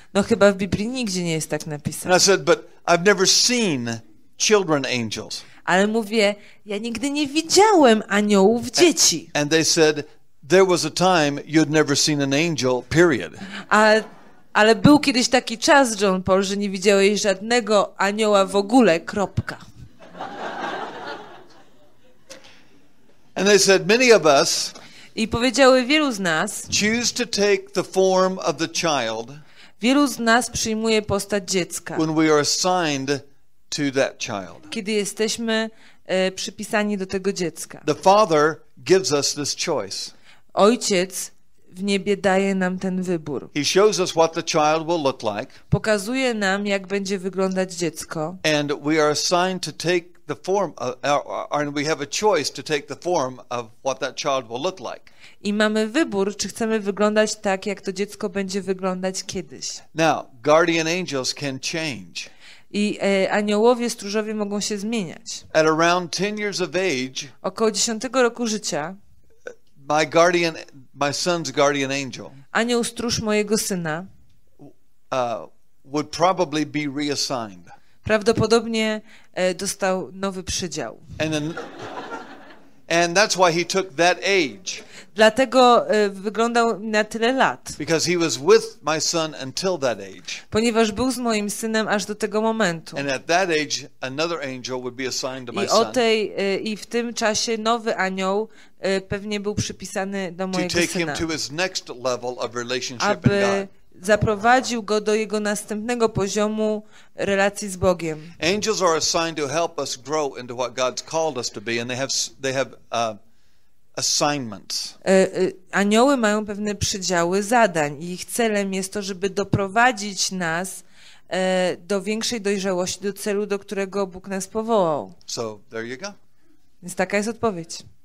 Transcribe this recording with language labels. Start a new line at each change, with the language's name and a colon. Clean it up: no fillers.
Polish: No chyba w Biblii nigdzie nie jest tak napisane.
English: And I said, but I've never seen children angels.
Polish: Ale mówię, ja nigdy nie widziałem aniołów dzieci.
English: And they said, there was a time you'd never seen an angel, period.
Polish: A Ale był kiedyś taki czas, John Paul, że nie widziałeś żadnego anioła w ogóle, kropka.
English: And they said, many of us
Polish: i powiedziały wielu z nas
English: choose to take the form of the child,
Polish: wielu z nas przyjmuje postać dziecka,
English: when we are assigned to that child.
Polish: Kiedy jesteśmy przypisani do tego dziecka.
English: The Father gives us this choice.
Polish: Ojciec w niebie daje nam ten wybór.
English: He shows us what the child will look like.
Polish: Pokazuje nam, jak będzie wyglądać dziecko.
English: And we are assigned to take the form of, or we have a choice to take the form of what that child will look like.
Polish: I mamy wybór, czy chcemy wyglądać tak, jak to dziecko będzie wyglądać kiedyś.
English: Now, guardian angels can change.
Polish: I aniołowie, stróżowie mogą się zmieniać.
English: At around 10 years of age,
Polish: około 10 roku życia,
English: my son's guardian angel,
Polish: anioł stróż mojego syna,
English: would probably be reassigned.
Polish: Prawdopodobnie dostał nowy przydział.
English: And that's why he took that age.
Polish: Dlatego wyglądał na tyle lat.
English: Because he was with my son until that age.
Polish: Ponieważ był z moim synem aż do tego momentu.
English: And at that age, another angel would be assigned to my son.
Polish: I w tym czasie nowy anioł pewnie był przypisany do mojego syna.
English: To take him to his next level of relationship with God.
Polish: Aby zaprowadził go do jego następnego poziomu relacji z Bogiem.
English: Angels are assigned to help us grow into what God's called us to be, and they have assignments.
Polish: Anioły mają pewne przydziały zadań i ich celem jest to, żeby doprowadzić nas do większej dojrzałości, do celu, do którego Bóg nas powołał.
English: So, there you go.
Polish: Więc taka jest odpowiedź.